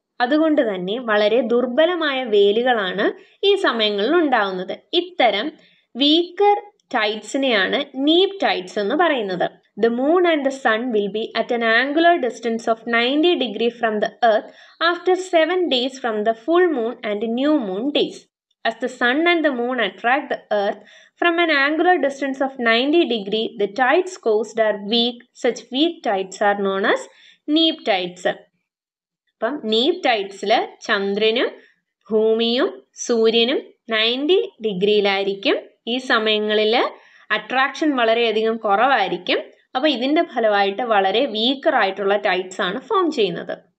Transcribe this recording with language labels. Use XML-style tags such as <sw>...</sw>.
<ml>അതുകൊണ്ട് തന്നെ വളരെ ദുർബലമായ വേലികളാണ് ഈ സമയങ്ങളിൽ ഉണ്ടാവുന്നത്. ഇത്തരം വീക്കർ ടൈഡ്സിനെയാണ് നീപ് ടൈഡ്സ് എന്ന് പറയുന്നത്.</ml> <en>The moon and the sun will be at an angular distance of 90 degree from the earth after 7 days from the full moon and new moon days. As the sun and the moon attract the earth from an angular distance of 90 degree, the tides caused are weak. Such weak tides are known as neap tides.</en> <ml>അപ്പം neap tides ല് ചന്ദ്രനും ഭൂമിയും സൂര്യനും 90 ഡിഗ്രിയിലായിരിക്കും. ഈ സമയങ്ങളിൽ attraction വളരെയധികം കുറവായിരിക്കും. അപ്പം ഇതിൻ്റെ ഫലമായിട്ട് വളരെ വീക്കറായിട്ടുള്ള ടൈഡ്സ് ആണ് ഫോം ചെയ്യുന്നത്.</ml>